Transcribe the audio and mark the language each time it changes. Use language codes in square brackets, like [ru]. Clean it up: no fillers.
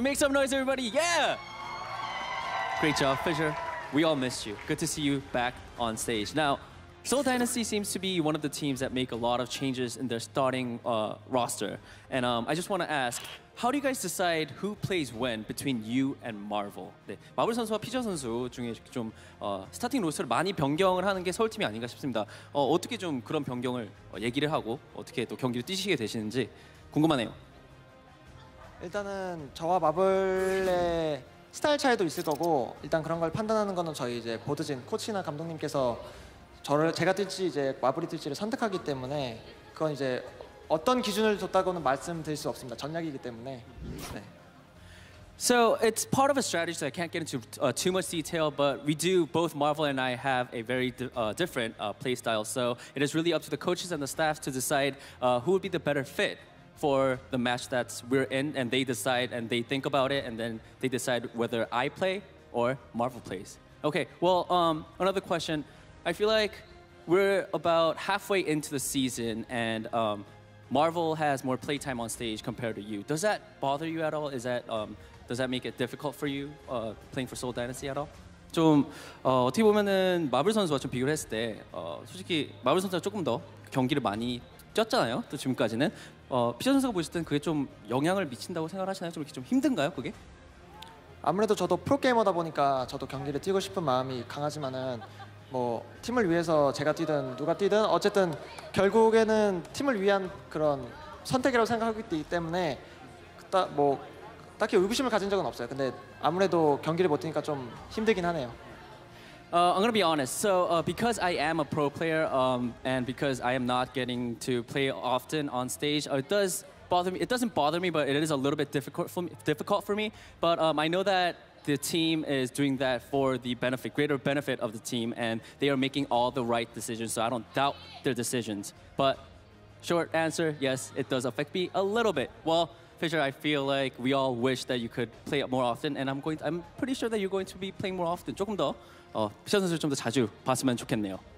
[en] Make some noise, everybody. Yeah! Great job, Fisher. We all missed you. Good to see you back on stage. Now, Seoul Dynasty seems to be one of the teams that make a lot of changes in their starting roster. And I just want to ask, how do you guys decide who plays when between you and Marvel? [ko] 네, 마블 선수와 피저 선수 중에 좀 스타팅 로스터를 많이 변경을 하는 게 서울 팀이 아닌가 싶습니다. 어떻게 좀 그런 변경을 얘기를 하고 어떻게 또 경기를 뛰시게 되시는지 궁금하네요. 일단은 저와 마블의 스타일 차이도 있을 거고 일단 그런 걸 판단하는 거는 저희 이제 보드진 코치나 감독님께서 저를 제가 뛸지 이제 마블이 뛸지를 선택하기 때문에 그건 이제 어떤 기준을 뒀다고는 말씀드릴 수 없습니다. 전략이기 때문에. 네. [en] So it's part of a strategy that I can't get into too much detail, but we do, both Marvel and I, have a very different play style. So it is really up to the coaches and the staff to decide who would be the better fit for the match that we're in, and they decide and they think about it, and then they decide whether I play or Marvel plays. Okay, well, another question. I feel like we're about halfway into the season, and Marvel has more playtime on stage compared to you. Does that bother you at all? Is that, does that make it difficult for you playing for Seoul Dynasty at all? [ko] 좀 어떻게 보면은 마블 선수와 좀 비교를 했을 때 솔직히 마블 선수가 조금 더 경기를 많이 뛰었잖아요. 또 지금까지는 피저 선수가 보실 때는 그게 좀 영향을 미친다고 생각하시나요? 좀 이렇게 좀 힘든가요, 그게? 아무래도 저도 프로 게이머다 보니까 저도 경기를 뛰고 싶은 마음이 강하지만은 뭐 팀을 위해서 제가 뛰든 누가 뛰든 어쨌든 결국에는 팀을 위한 그런 선택이라고 생각하기 때문에 딱 뭐 딱히 의구심을 가진 적은 없어요. 근데 아무래도 경기를 못 뛰니까 좀 힘들긴 하네요. [en] I'm gonna be honest. So because I am a pro player and because I am not getting to play often on stage, it does bother me. It doesn't bother me, but it is a little bit difficult for me. But I know that the team is doing that for the benefit, greater benefit of the team, and they are making all the right decisions. So I don't doubt their decisions. But short answer, yes, it does affect me a little bit. Well, Fisher, I feel like we all wish that you could play it more often, and I'm pretty sure that you're going to be playing more often. [ko] 조금 더. 피셔 선수를 좀 더 자주 봤으면 좋겠네요.